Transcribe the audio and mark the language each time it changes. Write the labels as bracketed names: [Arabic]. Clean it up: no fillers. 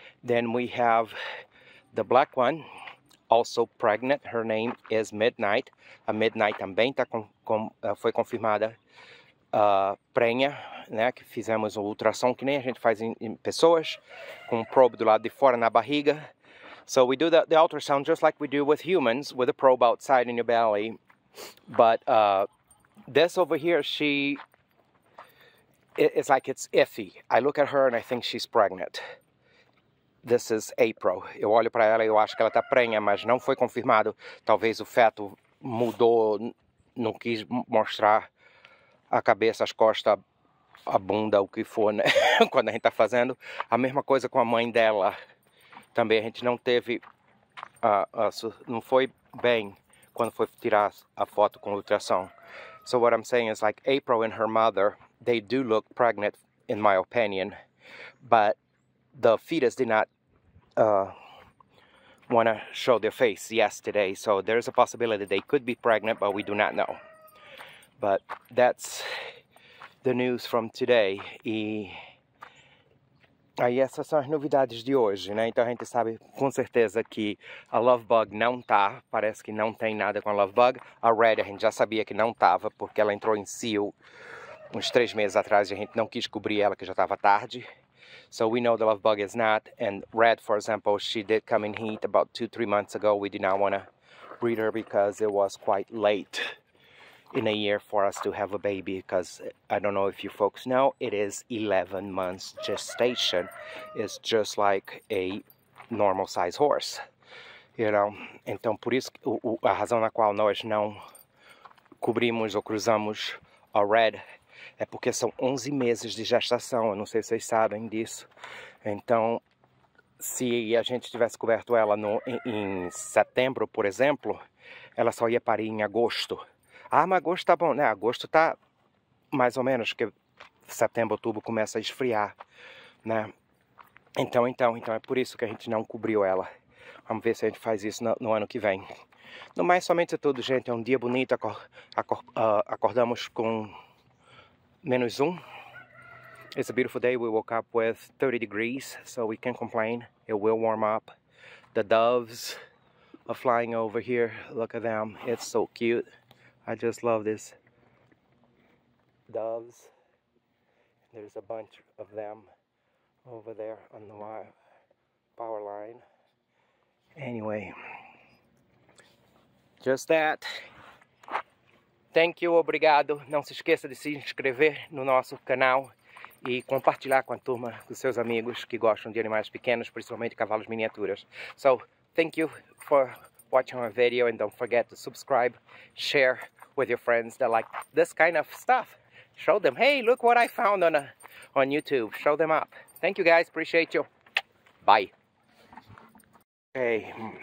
[English] Then we have the black one. Also pregnant, her name is Midnight. [Portuguese] A Midnight também foi confirmada prenha, né? Que fizemos o ultrassom, que nem a gente faz em pessoas, com probe do lado de fora na barriga. [English] So we do the ultrasound just like we do with humans, with a probe outside in your belly. But this over here, it's like it's iffy. I look at her and I think she's pregnant. This is April. [Portuguese] Eu olho para ela e eu acho que ela tá prenha, mas não foi confirmado. Talvez o feto mudou, não quis mostrar a cabeça, as costas, a bunda, o que for, né? Quando a gente tá fazendo. A mesma coisa com a mãe dela. Também a gente não teve, não foi bem quando foi tirar a foto com ultrassom. [English] So what I'm saying is like April and her mother, they do look pregnant, in my opinion, but the fetus did not want to show their face yesterday, so there's a possibility they could be pregnant, but we do not know. But that's the news from today. [Portuguese] E aí essas são as novidades de hoje, né? Então a gente sabe com certeza que a Love Bug não tá. Parece que não tem nada com a Love Bug. A Red a gente já sabia que não tava, porque ela entrou em cio uns 3 meses atrás e a gente não quis cobrir ela, que já tava tarde. [English] So we know the Love Bug is not, and Red, for example, she did come in heat about 2-3 months ago. We did not want to breed her because it was quite late in a year for us to have a baby, because I don't know if you folks know, it is 11 months gestation. It's just like a normal size horse, you know. [Portuguese] Então, por isso, a razão na qual nós não cobrimos ou cruzamos a Red é porque são 11 meses de gestação, eu não sei se vocês sabem disso. Então, se a gente tivesse coberto ela em setembro, por exemplo, ela só ia parir em agosto. Ah, mas agosto tá bom, né? Agosto tá mais ou menos, porque setembro, outubro começa a esfriar, né? Então é por isso que a gente não cobriu ela. Vamos ver se a gente faz isso no ano que vem. No mais, somente tudo, gente, é um dia bonito, acordamos com menos um. [English] It's a beautiful day. We woke up with 30 degrees, so we can't complain. It will warm up. The doves are flying over here. Look at them. It's so cute. I just love this. Doves. There's a bunch of them over there on the power line. Anyway, just that. Thank you, [Portuguese] obrigado. Não se esqueça de se inscrever no nosso canal e compartilhar com a turma, com seus amigos que gostam de animais pequenos, principalmente cavalos miniaturas. [English] So, thank you for watching our video and don't forget to subscribe, share with your friends that like this kind of stuff. Show them, hey, look what I found on YouTube. Show them up. Thank you, guys. Appreciate you. Bye. Hey,